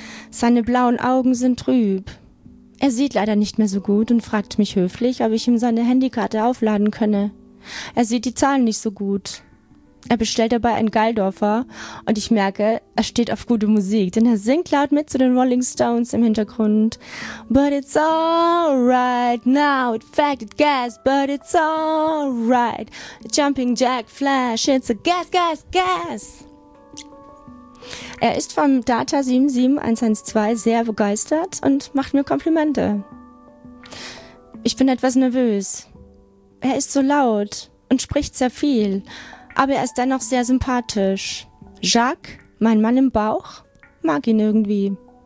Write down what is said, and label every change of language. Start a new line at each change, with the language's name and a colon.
German: Seine blauen Augen sind trüb. Er sieht leider nicht mehr so gut und fragt mich höflich, ob ich ihm seine Handykarte aufladen könne. Er sieht die Zahlen nicht so gut. Er bestellt dabei einen Geildorfer und ich merke, er steht auf gute Musik, denn er singt laut mit zu den Rolling Stones im Hintergrund.
English: But it's alright now, it faded gas, but it's alright. Jumping Jack Flash, it's a gas, gas, gas.
German: Er ist vom Data 77112 sehr begeistert und macht mir Komplimente. Ich bin etwas nervös. Er ist so laut und spricht sehr viel. Aber er ist dennoch sehr sympathisch. Jacques, mein Mann im Bauch, mag ihn irgendwie.